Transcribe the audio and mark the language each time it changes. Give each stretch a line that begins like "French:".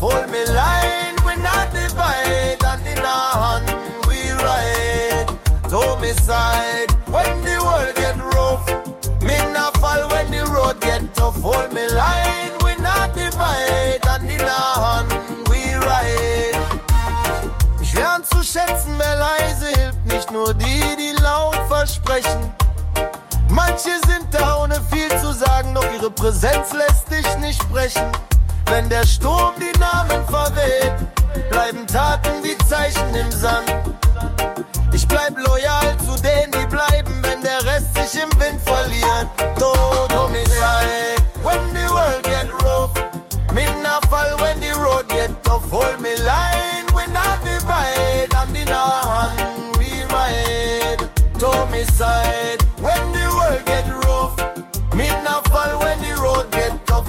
English: Hold me line, we not divide, and in our hand we ride. Homicide, when the world get rough, minna fall, when the road get tough. Hold me line, we not divide, and in our hand we ride.
German: Ich lern zu schätzen, wer leise hilft, nicht nur die, die laut versprechen. Manche sind da ohne viel zu sagen, doch ihre Präsenz lässt dich nicht brechen. Wenn der Sturm die Namen verweht, bleiben Taten wie Zeichen im Sand. Ich bleib loyal zu denen, die bleiben, wenn der Rest sich im Wind verliert.
English: Don't homicide, when the world get rough, minna fall, when the road get tough. Hold me line, we not divide, and in our hand we ride. Don't homicide, when the world get rough, minna fall, when the road get tough.